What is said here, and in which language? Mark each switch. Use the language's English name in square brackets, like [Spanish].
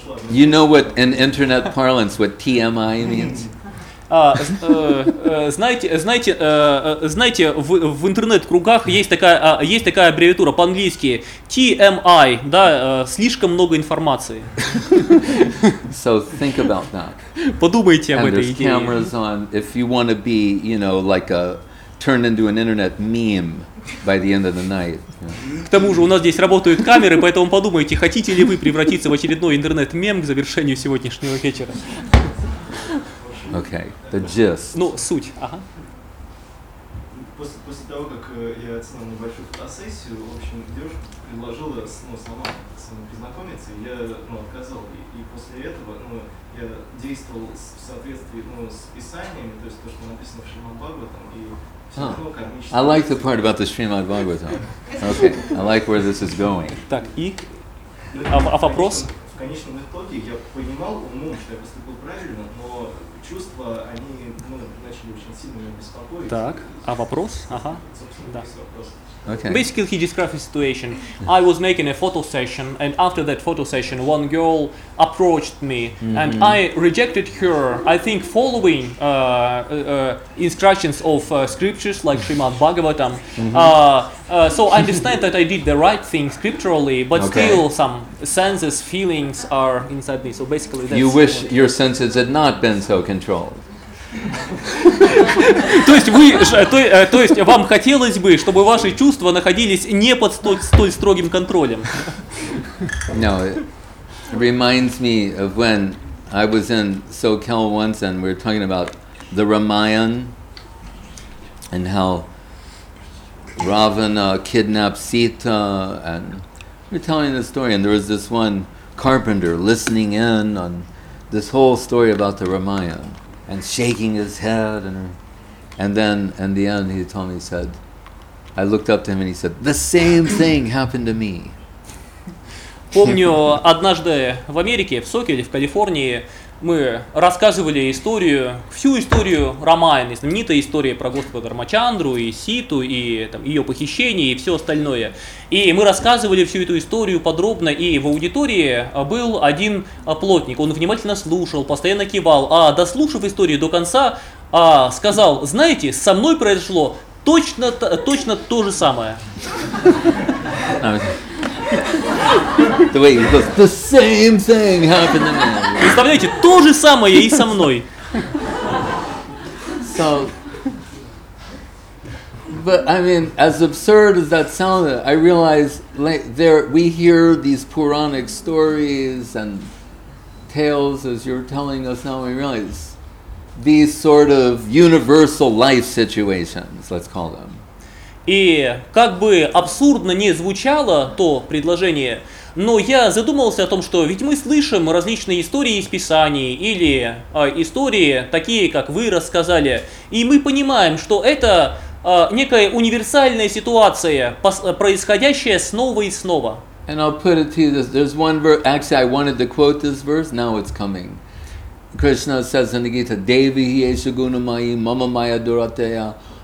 [English] You know what in internet parlance what TMI means? [Russian] Знаете, в интернет-кругах есть такая аббревиатура по-английски TMI, да, слишком много информации. [English] So think about that. [Russian] Подумайте об [English] And [Russian] этой [English] there's [Russian] идее. [English] Cameras on if you want to be, like a turned into an internet meme by the end of the night. [Russian] К тому же, у нас здесь работают камеры, поэтому подумайте, хотите ли вы превратиться в очередной интернет-мем к завершению сегодняшнего вечера. [English] Okay, the gist. [Russian] Ну, суть. Ага. После того, как я оценил небольшую фотосессию, в общем, девушка предложила сама со мной познакомиться, и я отказал. И после этого я действовал в соответствии с писаниями, то есть то, что написано в Шримад-Бхагаватам, и все равно кармично. [English] I like the part about the Шримад-Бхагаватам. Okay, I like where this is going. [Russian] Так, и? А вопрос? конечном итоге я понимал умом, что я поступил правильно, но чувства, они начали очень сильно меня беспокоить. Так, а вопрос? Ага. Собственно, да. Весь вопрос. [English] Okay. Basically, he described the situation. I was making a photo session, and after that photo session, one girl approached me, and I rejected her. I think following instructions of scriptures like Srimad Bhagavatam. So I understand that I did the right thing scripturally, but still some senses, feelings are inside me. So basically, that's you wish your senses had not been so controlled. [Russian] То есть вы, то есть вам хотелось бы, чтобы ваши чувства находились не под столь строгим контролем? [English] No, it reminds me of when I was in SoCal once, and we were talking about the Ramayana and how Ravana kidnapped Sita, and we're telling the story, and there was this one carpenter listening in on this whole story about the Ramayana. And shaking his head, and then in the end, he told me, he said, I looked up to him and he said, the same thing happened to me. [Russian] Помню, однажды в Америке, в Сокеле, в Калифорнии, мы рассказывали историю, всю историю Рамаяны, знаменитая история про Господа Рамачандру и Ситу, и там, ее похищение, и все остальное. И мы рассказывали всю эту историю подробно, и в аудитории был один плотник. Он внимательно слушал, постоянно кивал, а дослушав историю до конца, сказал, знаете, со мной произошло точно то же самое. [English] The way he goes, the same thing happened to me. [Russian] Представляете, то же самое и со мной. [English] So, but I mean, as absurd as that sounded, I realize like there we hear these Puranic stories and tales as you're telling us now. We realize these sort of universal life situations, let's call them. [Russian] И как бы абсурдно не звучало то предложение, но я задумался о том, что ведь мы слышим различные истории из Писаний или истории такие, как вы рассказали, и мы понимаем, что это некая универсальная ситуация, происходящая снова и снова. [English] And I'll put it to you, there's one verse, actually I wanted to quote this verse, now it's coming. Krishna says in the Gita, [Sanskrit] Devi yesha guna mayi mama maya durateya.